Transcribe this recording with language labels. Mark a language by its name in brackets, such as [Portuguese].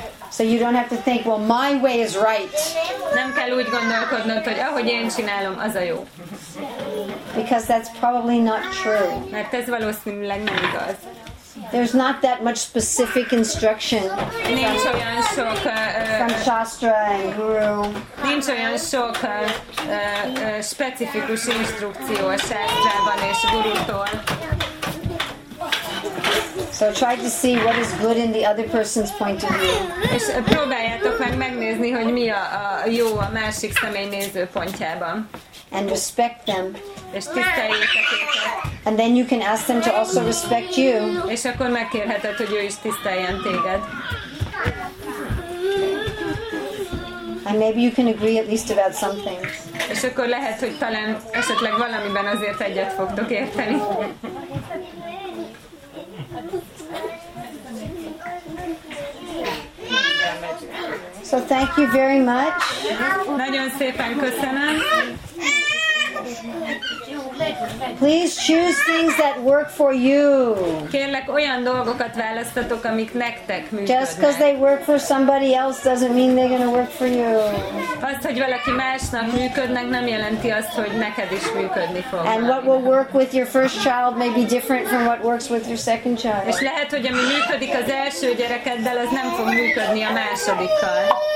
[English] So you don't have to think, well, my way is right. [Hungarian] Nem kell úgy gondolkodnod, hogy ahogy én csinálom, az a jó. [English] Because that's probably not true. [Hungarian] Mert ez valószínűleg nem igaz. [English] There's not that much specific instruction from Shastra and Guru. [Hungarian] Nincs olyan sok specifikus instrukció a Shastrában és Gurútól. [English] So try to see what is good in the other person's point of view. [Hungarian] És próbáljátok meg megnézni, hogy mi a jó a másik személy nézőpontjában. [English] And respect them. [Hungarian] És tiszteljétek őket. [English] And then you can ask them to also respect you. [Hungarian] És akkor megkérheted, hogy ő is tiszteljen téged. [English] And maybe you can agree at least about some things. [Hungarian] És akkor lehet, hogy talán esetleg valamiben azért egyet fogtok érteni. [English] So thank you very much. [Hungarian] Nagyon szépen köszönöm. [English] Please choose things that work for you. [Hungarian] Kérlek, olyan dolgokat választatok, amik nektek működnek. [English] Just because they work for somebody else doesn't mean they're going to work for you. [Hungarian] Azt, hogy valaki másnak működnek, nem jelenti azt, hogy neked is működni fog. [English] And what will work with your first child may be different from what works with your second child. [Hungarian] És lehet, hogy ami működik az első gyerekeddel, az nem fog működni a másodikkal.